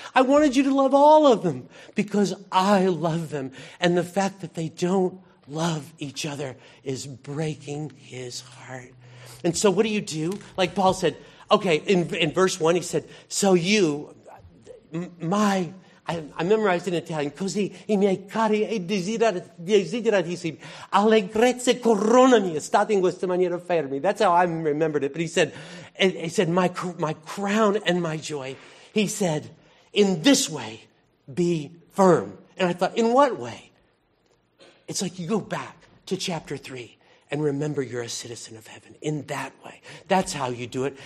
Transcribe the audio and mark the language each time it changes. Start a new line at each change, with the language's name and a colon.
English: I wanted you to love all of them because I love them. And the fact that they don't love each other is breaking his heart. And so what do? Like Paul said, okay, in verse 1, he said, so you, my, I memorized in Italian.
Italian: Così i miei cari e desideratissimi, allegrezze corona mia, state in questa maniera fermi.
English: That's how I remembered it. But he said, my crown and my joy. He said, in this way, be firm. And I thought, in what way? It's like you go back to chapter 3 and remember you're a citizen of heaven. In that way. That's how you do it.